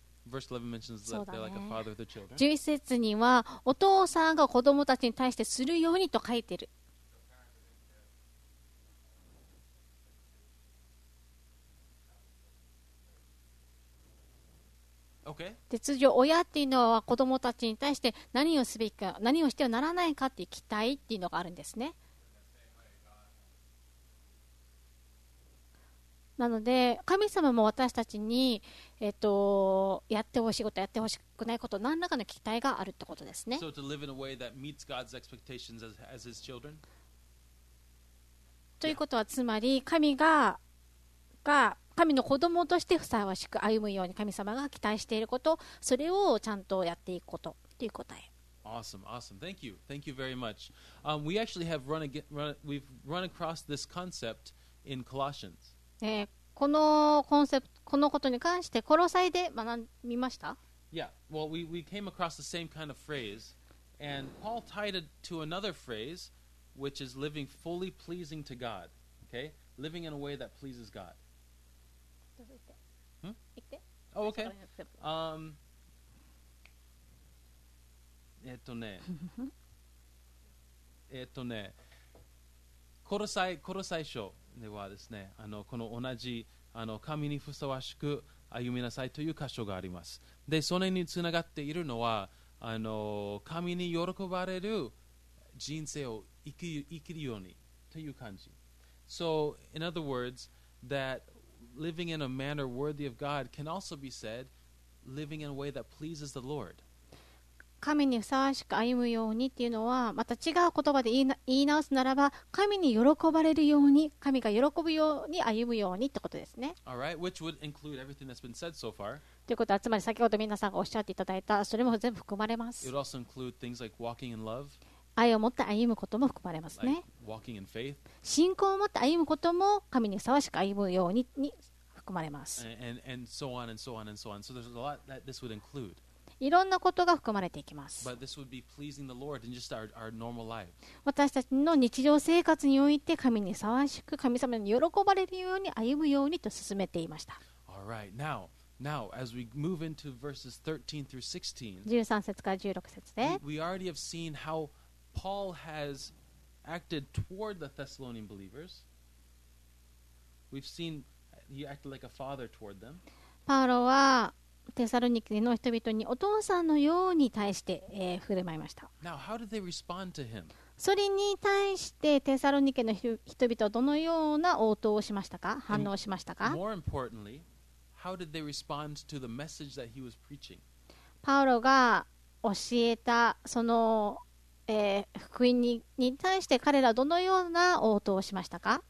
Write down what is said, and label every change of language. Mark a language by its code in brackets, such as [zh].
[en] Verse 11 mentions that they're like a father to children. [ja] 11節にはお父さんが子供たちに対してするようにと書いてる。 [en] Okay. [ja] で通常親っていうのは子供たちに対して何をすべきか何をしてはならないかっていう期待っていうのがあるんですね。なので神様も私たちに、やってほしいことやってほしくないこと何らかの期待があるってことですね。 [en] So to live in a way that meets God's expectations as his children. [ja] ということはつまり神が、神の子供としてふさわしく歩むように神様が期待していることそれをちゃんとやっていくことという答え。 [en] Awesome, awesome. Thank you. Thank you very much. We actually have run across this concept in Colossians. [ja] このことに関してコロサイで学びました。 [en] Yeah, well we came across the same kind of phrase and Paul tied it to another phrase which is living fully pleasing to God. Okay, living in a way that pleases God. [ja] どうぞ行って、行って、oh, okay. コロサイ書ではですね、この同じ神にふさわしく歩みなさいという箇所があります。でそれにつながっているのは神に喜ばれる人生を生きるようにという感じ。 [en] So in other words that living in a manner worthy of God can also be said living in a way that pleases the Lord。 [ja] 神にふさわしく歩むようにっていうのはまた違う言葉で言い直すならば神に喜ばれるように神が喜ぶように歩むようにってことですね。 [en] All right, which would include everything that's been said so far. [ja] ということはつまり先ほど皆さんがおっしゃっていただいたそれも全部含まれます。 [en] It would also include things like walking in love. [ja] 愛を持って歩むことも含まれますね。 [en] Like walking in faith. [ja] 信仰を持って歩むことも神にふさわしく歩むようにに含まれます。 [en] and so on and so on and so on. So there's a lot that this would include. [ja] いろんなことが含まれていきます。 [en] But this would be pleasing the Lord in just our normal life. [ja] 私たちの日常生活において神にふさわしく神様に喜ばれるように歩むようにと進めていました。 [en] All right. Now, as we move into verses 13 through 16, [ja] 13節から16節で [en] we already have seen how Paul has acted toward the Thessalonian believers. We've seen he acted like a father toward them. [ja] パウロはテサロニケの人々にお父さんのように対して、振る舞いました。 [en] Now, how did they respond to him? [ja] それに対してテサロニケの人々はどのような応答をしましたか反応しましたか。 [en] And more importantly, how did they respond to the message that he was preaching? [ja] パウロが教えたその、福音 に対して彼らはどのような応答をしましたか。